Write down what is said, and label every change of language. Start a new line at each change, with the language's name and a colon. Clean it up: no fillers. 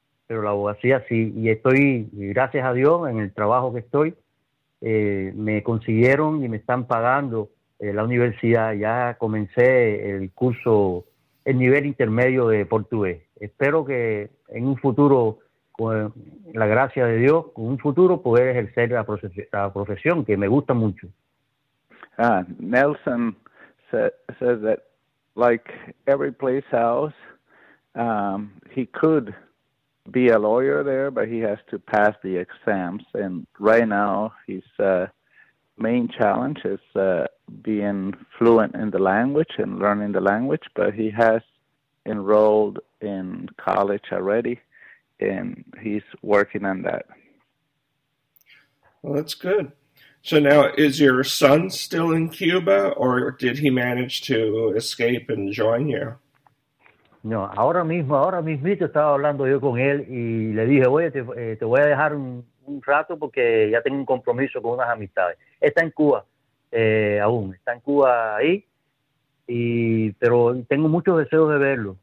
Spanish: Pero la abogacía sí, y estoy, gracias a Dios, en el trabajo que estoy, me consiguieron y me están pagando la universidad. Ya comencé el curso, el nivel intermedio de portugués. Espero que en un futuro, con la gracia de Dios, con un futuro poder ejercer la profesión, que me gusta mucho.
English: Nelson says that, like every place else, he could be a lawyer there, but he has to pass the exams. And right now, his main challenge is being fluent in the language and learning the language. But he has enrolled in college already, and he's working on that. Well, that's good. So now, is your son still in Cuba, or did he manage to escape and join you?
Spanish: No, ahora mismo estaba hablando yo con él y le dije, oye, te voy a dejar un rato porque ya tengo un compromiso con unas amistades. Está en Cuba aún, está en Cuba ahí, pero tengo muchos deseos de verlo.